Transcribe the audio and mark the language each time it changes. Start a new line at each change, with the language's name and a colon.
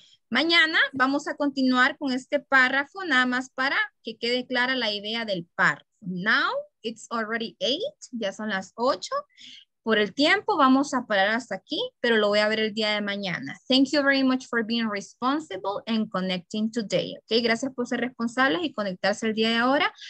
Spanish: Mañana vamos a continuar con este párrafo, nada más para que quede clara la idea del párrafo.
English: Now it's already 8,
Spanish: ya son las 8. Por el tiempo vamos a parar hasta aquí, pero lo voy a ver el día de mañana.
English: Thank you very much for being responsible and connecting today. Okay?
Spanish: Gracias por ser responsables y conectarse el día de ahora.